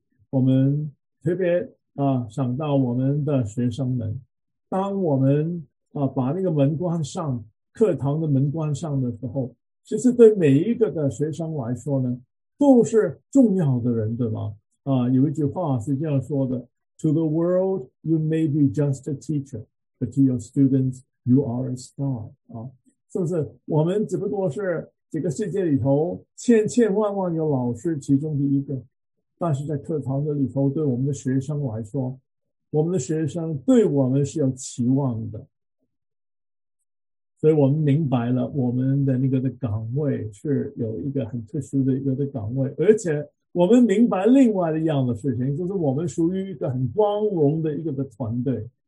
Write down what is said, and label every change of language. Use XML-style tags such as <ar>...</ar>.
<zh>我们特别想到我们的学生们，当我们。把那个门关上，课堂的门关上的时候，其实对每一个的学生来说呢，都是重要的人，对吧？有一句话是这样说的：“</zh> <en>To the world, you may be just a teacher, but to your students, you are a star。</en> <zh>”是不是？我们只不过是这个世界里头千千万万有老师其中的一个，但是在课堂的里头，对我们的学生来说，我们的学生对我们是有期望的。所以我们明白了我们的那个的岗位是有一个很特殊的一个的岗位，而且我们明白另外的一样的事情，就是我们属于一个很光荣的一个的团队。</zh>